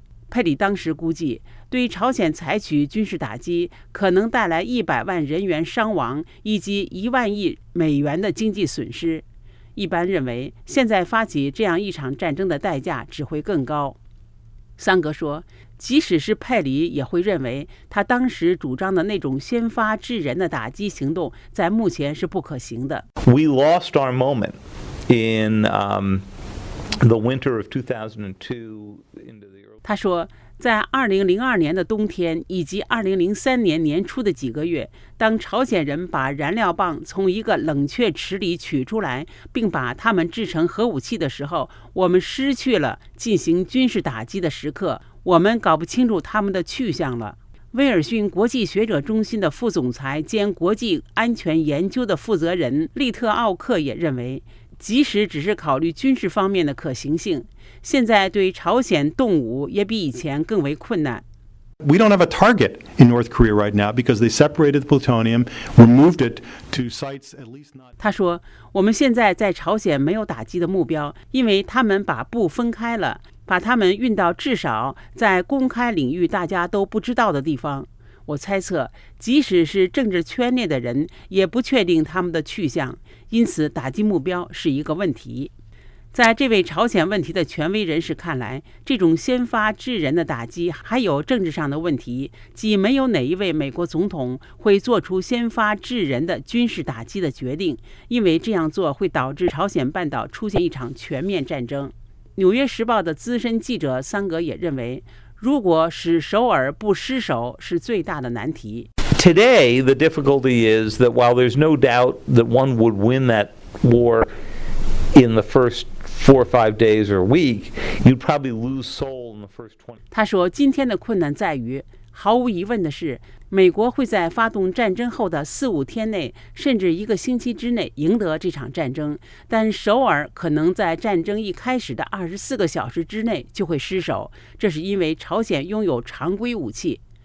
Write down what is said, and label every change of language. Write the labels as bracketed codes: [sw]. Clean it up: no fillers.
[zh] 佩里当时估计，对朝鲜采取军事打击可能带来100万人员伤亡以及10000亿美元的经济损失。一般认为，现在发起这样一场战争的代价只会更高。桑格说，即使是佩里也会认为他当时主张的那种先发制人的打击行动在目前是不可行的。 [en] We lost our moment in the winter of 2002. [zh] 他说，在2002年的冬天以及2003年年初的几个月，当朝鲜人把燃料棒从一个冷却池里取出来并把它们制成核武器的时候，我们失去了进行军事打击的时刻，我们搞不清楚他们的去向了。威尔逊国际学者中心的副总裁兼国际安全研究的负责人利特奥克也认为，即使只是考虑军事方面的可行性，现在对朝鲜动武也比以前更为困难。 [en] We don't have a target in North Korea right now because they separated the plutonium, removed it to sites at least not. [zh] 他说，我们现在在朝鲜没有打击的目标，因为他们把布分开了，把他们运到至少在公开领域大家都不知道的地方。我猜测，即使是政治圈内的人也不确定他们的去向，因此打击目标是一个问题。在这位朝鲜问题的权威人士看来，这种先发制人的打击还有政治上的问题，即没有哪一位美国总统会做出先发制人的军事打击的决定，因为这样做会导致朝鲜半岛出现一场全面战争。 《纽约时报》的资深记者桑格也认为，如果使首尔不失守是最大的难题。 [en] Today, the difficulty is that while there's no doubt that one would win that war in the first four or five days or week, you'd probably lose Seoul in the first 20. [zh] 他说，今天的困难在于，毫无疑问的是，美国会在发动战争后的四五天内，甚至一个星期之内赢得这场战争，但首尔可能在战争一开始的24小时之内就会失守，这是因为朝鲜拥有常规武器。